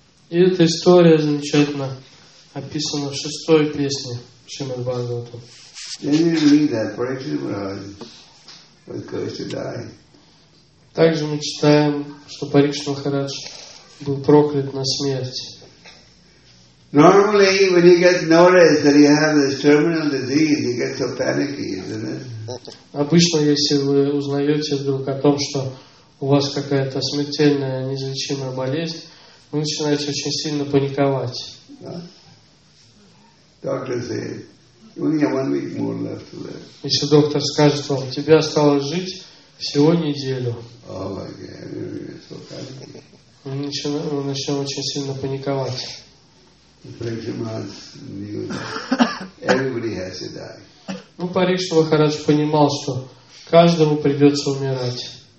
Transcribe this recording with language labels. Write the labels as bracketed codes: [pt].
[ru] И эта история замечательно описана в шестой песне Шримад-Бхагавата. Также мы читаем, что Парикшит Махарадж был проклят на смерть. [en] Normally, when he gets noticed that he has this terminal disease, he gets so panicky, isn't it? [ru] Обычно, если вы узнаете вдруг о том, что у вас какая-то смертельная, неизлечимая болезнь, вы начинаете очень сильно паниковать. [en] Doctor said, "You only have 1 week more left to live." [ru] Если доктор скажет вам, тебе осталось жить всего неделю. Он начал очень сильно паниковать. Ну, Парикшит Махарадж понимал, что каждому придется умирать.